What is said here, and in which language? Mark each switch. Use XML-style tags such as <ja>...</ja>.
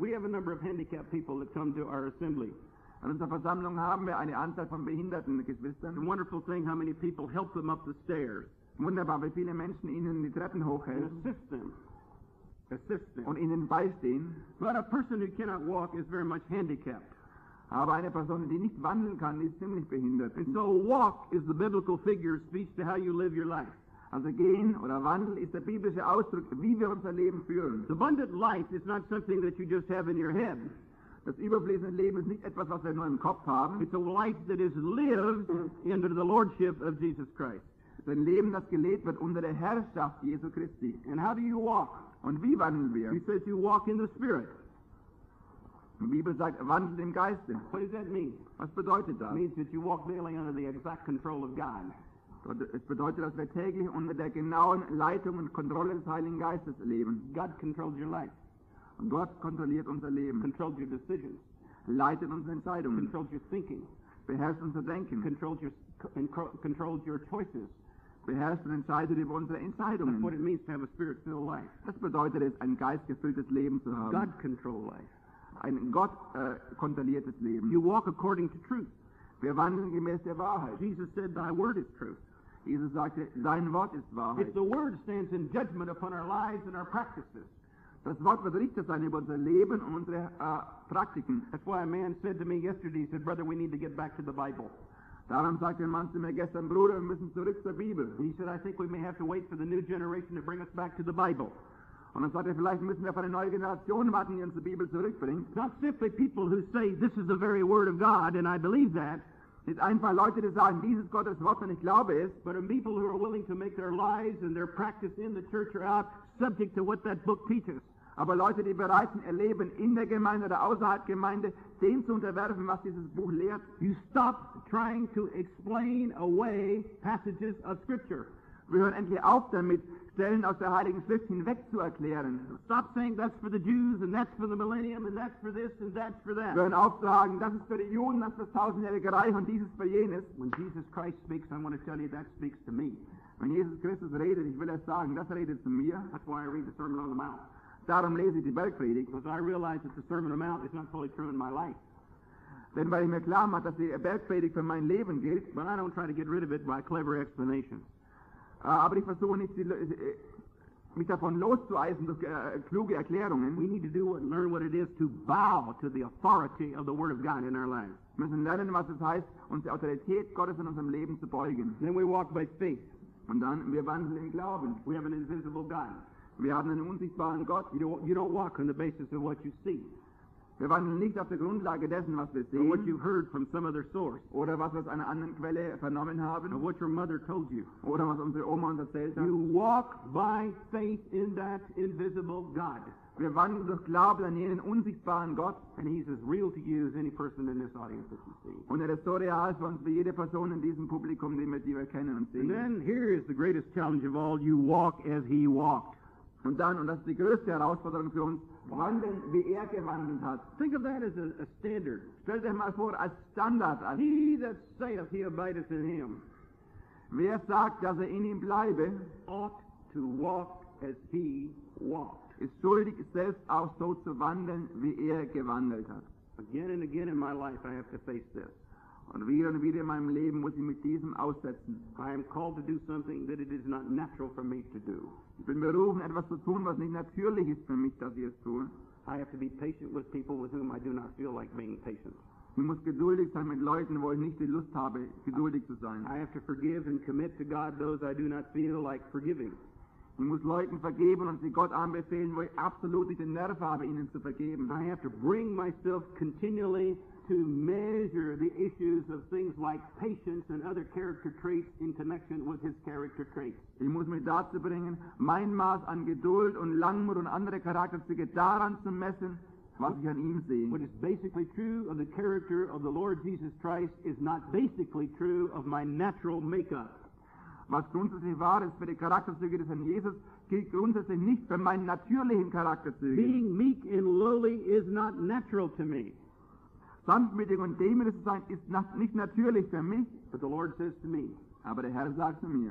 <en>We have a number of handicapped people that come to our assembly.</en> <de>An unserer Versammlung haben wir eine Anzahl von behinderten Geschwistern.</de> <en>A wonderful thing how many people help them up the stairs.</en> <de>Wunderbar, wie viele Menschen ihnen die Treppen hochhelfen.</de> <en>And assist them.</en> <de>Und ihnen beistehen.</de> <en>But a person who cannot walk is very much handicapped.</en> <de>Aber eine Person, die nicht wandeln kann, ist ziemlich behindert.</de> <en>And so walk is the biblical figure of speech to how you live your life.</en> <de>Also gehen oder wandeln ist der biblische Ausdruck, wie wir unser Leben führen.</de> <en>The abundant life is not something that you just have in your head.</en> <de>Das überfließende Leben ist nicht etwas, was wir nur im Kopf haben.</de> <en>It's a life that is lived under the lordship of Jesus Christ.</en> <de>Es ist ein Leben, das gelebt wird unter der Herrschaft Jesu Christi.</de> <en>And how do you walk?</en> <de>Und wie wandeln wir?</de> <en>He says you walk in the Spirit.</en> <de>Die Bibel sagt, wandelt im Geiste.</de> <en>What does that mean?</en> <de>Was bedeutet das?</de> <en>It means that you walk daily under the exact control of God.</en> <de>Es bedeutet, dass wir täglich unter der genauen Leitung und Kontrolle des Heiligen Geistes leben.</de> <en>God controls your life.</en> <de>Gott kontrolliert unser Leben.</de> <en>Controls your decisions.</en> <de>Leitet unsere Entscheidungen.</de> <en>Controls your thinking.</en> <de>Beherrscht unser Denken.</de> <en>Controls your choices.</en> <de>Beherrscht und entscheidet über unsere Entscheidungen.</de> <en>That's what it means to have a spirit-filled life.</en> <de>Das bedeutet es, ein geistgefülltes Leben zu haben.</de> <en>God controls life.</en> <de>Ein Gott kontrolliertes Leben.</de> <en>You walk according to truth.</en> <de>Wir wandeln gemäß der Wahrheit.</de> <en>Jesus said, "Thy word is truth."</en> <de>Jesus sagte, dein Wort ist Wahrheit.</de> <en>If the word stands in judgment upon our lives and our practices.</en> <de>Das Wort wird Richter sein über unser Leben und unsere Praktiken.</de> <en>That's why a man said to me yesterday, he said, "Brother, we need to get back to the Bible."</en> <de>Darum sagte ein Mann zu mir gestern, Bruder, wir müssen zurück zur Bibel.</de> <en>He said, "I think we may have to wait for the new generation to bring us back to the Bible."</en> <de>Und er sagte, vielleicht müssen wir auf eine neue Generation warten, die uns die Bibel zurückbringt.</de> <en>Not simply people who say, "This is the very word of God, and I believe that."</en> <de>Nicht einfach Leute, die sagen, dies ist Gottes Wort und ich glaube es.</de> <en>But people who are willing to make their lives and their practice in the church or out subject to what that book teaches.</en> <de>Aber Leute, die bereit sind, ihr Leben in der Gemeinde oder außerhalb der Gemeinde, dem zu unterwerfen, was dieses Buch lehrt.</de> <en>You stop trying to explain away passages of Scripture.</en> <de>Wir hören endlich auf damit, Stellen aus der Heiligen Schrift hinweg zu erklären.</de> <en>Stop saying that's for the Jews and that's for the millennium and that's for this and that's for that.</en> <de>Wir hören auf zu sagen, das ist für die Juden, das ist das tausendjährige Reich und dieses für jenes.</de> <en>When Jesus Christ speaks, I want to tell you that speaks to me.</en> <de>Wenn Jesus Christus redet, ich will es sagen, das redet zu mir.</de> <en>That's why I read the Sermon on the Mount.</en> <de>Darum lese ich die Bergpredigt.</de> <en>Because I realize that the Sermon on the Mount is not fully true in my life.</en> <de>Denn weil ich mir klar mache, dass die Bergpredigt für mein Leben gilt,</de> <en>but I don't try to get rid of it by clever explanation.</en> <de>Aber ich versuche nicht, mich davon loszueisen durch kluge Erklärungen.</de> <en>We need to do what, learn what it is to bow to the authority of the Word of God in our lives.</en> <de>Wir müssen lernen, was es heißt, uns der Autorität Gottes in unserem Leben zu beugen.</de> <en>Then we walk by faith.</en> <de>Und dann wir wandeln im Glauben.</de> <en>We have an invisible God.</en> <de>Wir haben einen unsichtbaren Gott.</de> <en>You don't walk on the basis of what you see.</en> <de>Wir wandeln nicht auf der Grundlage dessen, was wir sehen,</de> <en>or what you heard from some other source,</en> <de>oder was wir aus einer anderen Quelle vernommen haben,</de> <en>or what your mother told you,</en> <de>oder was unsere Oma uns erzählt hat.</de> <en>You walk by faith in that invisible God.</en> <de>Wir wandeln durch Glauben an jenen unsichtbaren Gott,</de> <en>and he's as real to you as any person in this audience that you see.</en> <de>Und er ist so real für uns wie jede Person in diesem Publikum, die wir kennen und sehen.</de> <en>And then here is the greatest challenge of all: you walk as he walked.</en> <de>Und dann, und das ist die größte Herausforderung für uns, wandeln, wie gewandelt hat.</de> <en>Think of that as a standard.</en> <de>Stell dir mal vor, als Standard. Als</de> <en>he that saith he abideth in him.</en> <de>Wer sagt, dass in ihm bleibe,</de> <en>ought to walk as he walked.</en> <de>Ist schuldig, selbst auch so zu wandeln, wie gewandelt hat.</de> <en>Again and again in my life I have to face this.</en> <de>Und wieder in meinem Leben muss ich mit diesem aussetzen.</de> <en>I am called to do something that it is not natural for me to do.</en> <de>Ich bin berufen, etwas zu tun, was nicht natürlich ist für mich, dass ich es tue.</de> <en>I have to be patient with people with whom I do not feel like being patient.</en> <de>Ich muss geduldig sein mit Leuten, wo ich nicht die Lust habe, geduldig zu sein.</de> <en>I have to forgive and commit to God those I do not feel like forgiving.</en> <de>Ich muss Leuten vergeben und sie Gott anbefehlen, wo ich absolut nicht den Nerv habe, ihnen zu vergeben.</de> <en>I have to bring myself continually to measure the issues of things like patience and other character traits in connection with his character traits.</en> <de>Ich muss mich dazu bringen, mein Maß an Geduld und Langmut und andere Charakterzüge daran zu messen, was ich an ihm sehe.</de> <en>What is basically true of the character of the Lord Jesus Christ is not basically true of my natural makeup.</en> <de>Was grundsätzlich wahr ist für die Charakterzüge des Herrn Jesus, gilt grundsätzlich nicht für meinen natürlichen Charakterzüge.</de> <en>Being meek and lowly is not natural to me.</en> <de>Sanftmütig und demütig zu sein ist nicht natürlich für mich.</de> <en>But the Lord says to me,</en> <de>aber der Herr sagt zu mir,</de>